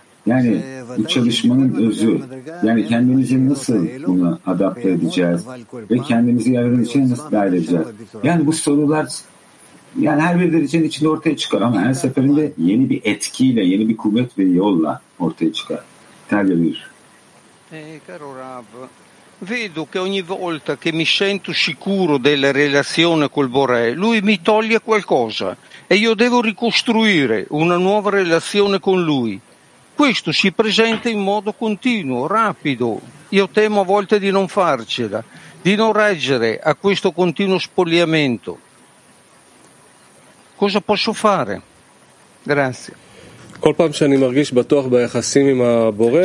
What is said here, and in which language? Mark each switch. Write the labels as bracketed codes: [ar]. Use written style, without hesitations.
[tr] Yani bu çalışmanın özü, yani kendimizi nasıl buna adapte edeceğiz ve kendimizi yararın içine nasıl dahil edeceğiz? Yani bu sorular yani her bir derecenin içinde ortaya çıkar ama her seferinde yeni bir etkiyle, yeni bir kuvvet ve yolla ortaya çıkar. Terbiye buyur. [it] Caro Rav, vedo che ogni volta che mi sento sicuro della relazione col Borè, lui mi toglie qualcosa e io devo ricostruire una nuova relazione con lui. Questo si presenta in modo continuo, rapido. Io temo a volte di non farcela, di non reggere a questo continuo spogliamento. Cosa posso fare? Grazie. [he] כל פעם שאני מרגיש בטוח ביחסים עם הבורא,